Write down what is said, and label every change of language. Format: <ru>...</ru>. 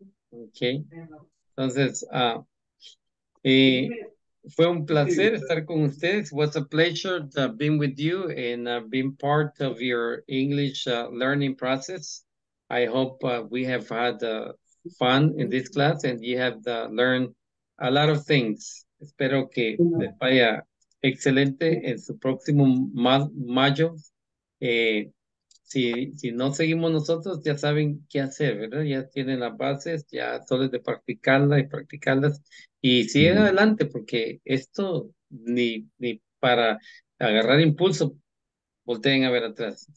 <es>Ok, entonces fue un placer estar con ustedes.</es> <en>Was a pleasure to being with you and being part of your English learning process. I hope we have had fun in this class and you have learned a lot of things.</en> <es>Espero que les vaya excelente en su próximo mayo. Si no seguimos nosotros, ya saben qué hacer, ¿verdad? Ya tienen las bases, ya solo es de practicarlas y practicarlas. Y siguen adelante, porque esto ni para agarrar impulso, volteen a ver atrás.</es>